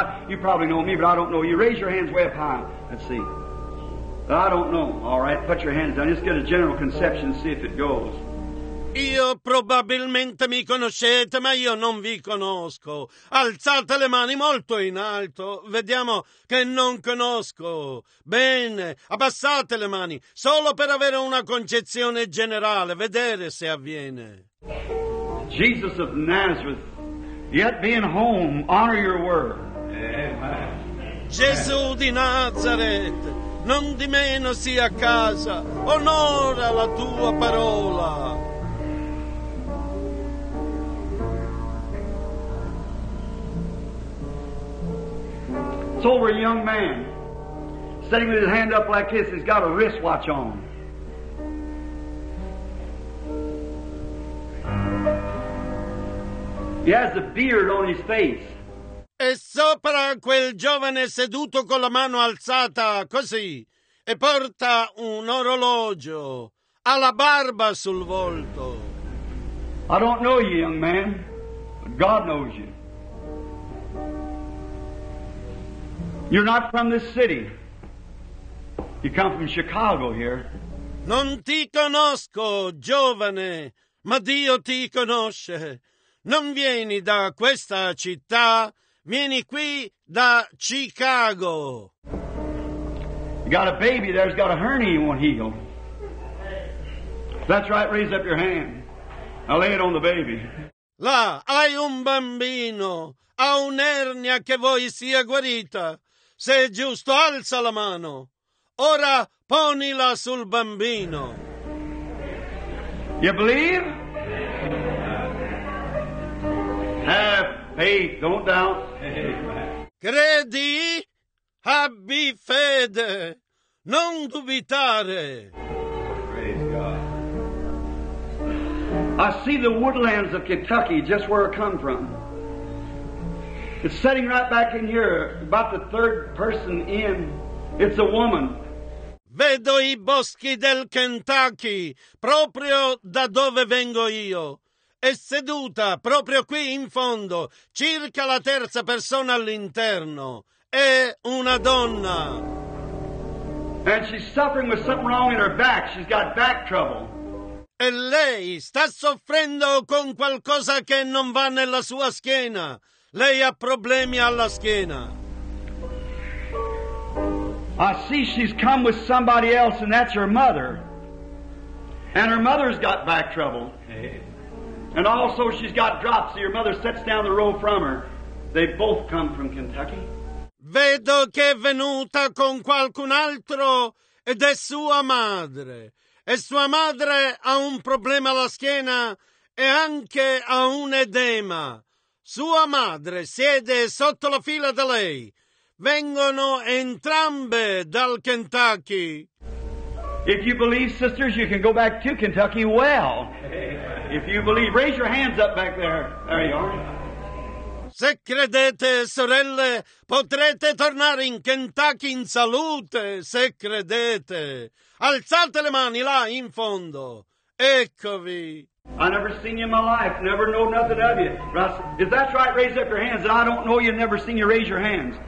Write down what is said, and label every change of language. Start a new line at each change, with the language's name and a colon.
English: You probably know me, but I don't know you. Raise your hands way up high. Let's see. But I don't know. All right, put your hands down. Just get a general conception and see if it goes.
Italian: Io probabilmente mi conoscete, ma io non vi conosco. Alzate le mani molto in alto. Vediamo che non conosco. Bene, abbassate le mani, solo per avere una concezione generale, vedere se avviene.
English: Jesus of Nazareth, yet being home, honor your word.
Italian: Gesù di Nazareth, non di meno sia a casa, onora la tua parola.
English: Over a young man sitting with his hand up like this, he's got a wristwatch on. He has a beard on his face.
Italian: E sopra quel giovane seduto con la mano alzata, così, e porta un orologio, ha la barba sul volto.
English: I don't know you, young man, but God knows you. You're not from this city. You come from Chicago here.
Italian: Non ti conosco, giovane, ma Dio ti conosce. Non vieni da questa città, vieni qui da Chicago.
English: You got a baby there, has got a hernia, you won't heal. That's right, raise up your hand. I'll lay it on the baby.
Italian: Là, hai un bambino, ha un'ernia che vuoi sia guarita. Se è giusto, alza la mano. Ora ponila sul bambino.
English: You believe? Have faith, don't doubt.
Italian: Credi? Abbi fede. Non dubitare.
English: Praise God. I see the woodlands of Kentucky, just where I come from. It's sitting right back in here, about the third person in. It's a woman.
Italian: Vedo I boschi del Kentucky, proprio da dove vengo io. È seduta proprio qui in fondo, circa la terza persona all'interno. È una donna.
English: And she's suffering with something wrong in her back. She's got back trouble.
Italian: E lei sta soffrendo con qualcosa che non va nella sua schiena. Lei ha problemi alla schiena.
English: I see she's come with somebody else, and that's her mother. And her mother's got back trouble. And also she's got dropsy. Her mother sits down the row from her. They both come from Kentucky.
Italian: Vedo che è venuta con qualcun altro ed è sua madre. E sua madre ha un problema alla schiena e anche ha un edema. Sua madre siede sotto la fila da lei. Vengono entrambe dal Kentucky.
English: If you believe, sisters, you can go back to Kentucky well. If you believe, raise your hands up back there. There you are.
Italian: Se credete, sorelle, potrete tornare in Kentucky in salute, se credete. Alzate le mani là in fondo. Eccovi.
English: I never seen you in my life, never know nothing of you. If that's right, raise up your hands. And I don't know you, never seen you raise your hands.